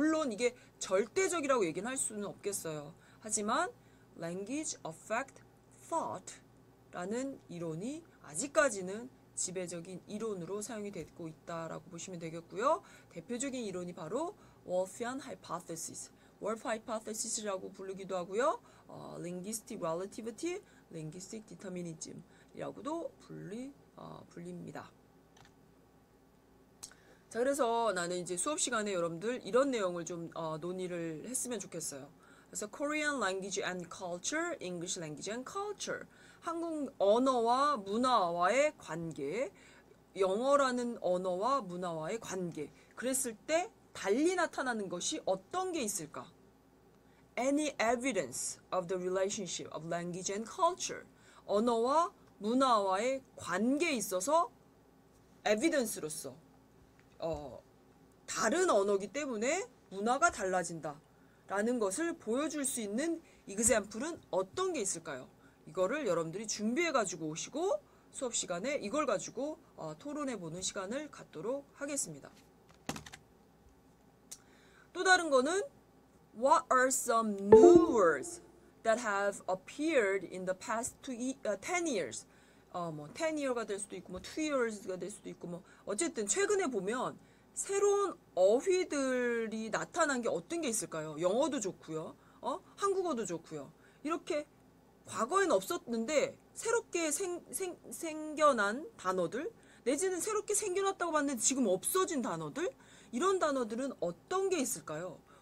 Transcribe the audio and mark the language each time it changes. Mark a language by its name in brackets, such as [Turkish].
[Korean] 물론 이게 절대적이라고 얘기는 할 수는 없겠어요. 하지만 [English] language affect thought [Korean] 라는 이론이 아직까지는 지배적인 이론으로 사용이 되고 있다라고 보시면 되겠고요. 대표적인 이론이 바로 Wolffian hypothesis, Wolff hypothesis라고 부르기도 하고요. [English] linguistic relativity, linguistic determinism [Korean] 이라고도 불립니다. 자, 그래서 나는 이제 수업 시간에 여러분들 이런 내용을 좀 논의를 했으면 좋겠어요. 그래서 [English] Korean language and culture, English language and culture. [Korean] 한국 언어와 문화와의 관계, 영어라는 언어와 문화와의 관계. 그랬을 때 달리 나타나는 것이 어떤 게 있을까? [English] Any evidence of the relationship of language and culture. [Korean] 언어와 문화와의 관계에 있어서 에비던스로서 다른 언어기 때문에 문화가 달라진다 라는 것을 보여줄 수 있는 이그잼플은 어떤 게 있을까요? 이거를 여러분들이 준비해 가지고 오시고 수업 시간에 이걸 가지고 토론해 보는 시간을 갖도록 하겠습니다. 또 다른 거는 [English] What are some new words that have appeared in the past 10 years? [Korean] 뭐 10 year가 될 수도 있고 뭐 2 years가 될 수도 있고 뭐 어쨌든 최근에 보면 새로운 어휘들이 나타난 게 어떤 게 있을까요? 영어도 좋고요. 한국어도 좋고요. 이렇게 과거엔 없었는데 새롭게 생겨난 단어들 내지는 새롭게 생겨났다고 봤는데 지금 없어진 단어들 이런 단어들은 어떤 게 있을까요?